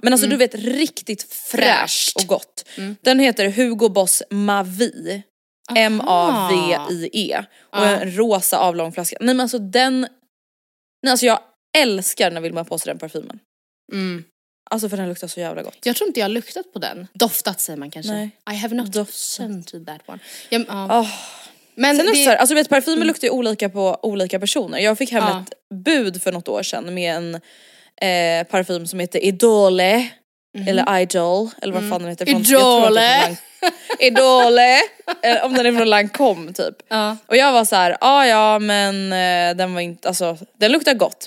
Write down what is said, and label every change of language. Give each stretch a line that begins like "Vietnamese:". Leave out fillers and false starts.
Swedish: Men alltså du vet, riktigt fräscht och gott. Mm. Den heter Hugo Boss Mavie. M-A-V-I-E. Och en rosa avlång flaska. Nej men alltså den, nej alltså jag älskar när Vilma påser den parfymen. Alltså för den luktar så jävla gott. Jag tror inte jag har luktat på den. Doftat säger man kanske. Nej.
English: I have not scented that one.
Swedish: Men sen det... också här, alltså vet, parfymer luktar ju olika på olika personer. Jag fick hem ett bud för något år sedan med en parfym som heter Idole. Eller Idol. Eller vad fan den heter. Idole. Idole. Om den är från Lancôme typ. Och jag var så här, ja men den var inte, alltså den luktar gott.